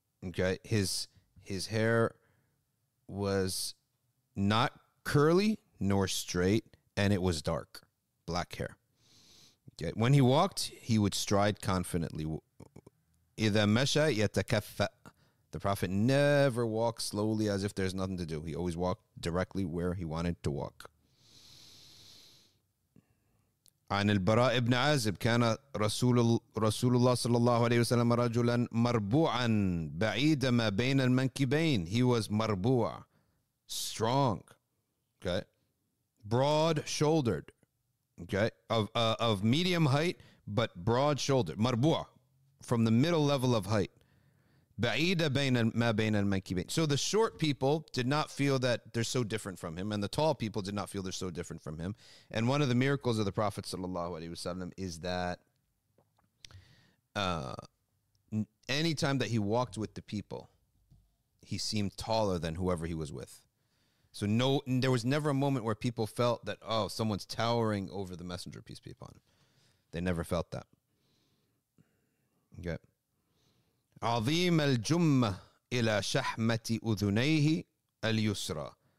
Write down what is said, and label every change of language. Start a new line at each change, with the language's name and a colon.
English: Okay, his hair was not curly nor straight, and it was dark, black hair. Okay, when he walked, he would stride confidently.
Arabic: إذا مشى يتكفى.
English: The Prophet never walked slowly as if there's nothing to do. He always walked directly where he wanted to walk.
Arabic: عن البراء بن عازب كان رسول الله صلى الله عليه وسلم رجلا مربوعا بعيدا ما بين المنكبين.
English: He was مربوع, strong, okay, broad shouldered, okay, of medium height but broad shouldered, مربوع, from the middle level of height.
Arabic: بعيدا بين ما بين المنكبين.
English: So the short people did not feel that they're so different from him, and the tall people did not feel they're so different from him. And one of the miracles of the Prophet sallallahu alaihi wasallam is that any time that he walked with the people, he seemed taller than whoever he was with. So no, there was never a moment where people felt that, oh, someone's towering over the Messenger, peace be upon him. They never felt that. Okay.
Arabic: عظيم الجمة إلى شحمة أذنيه اليسرى.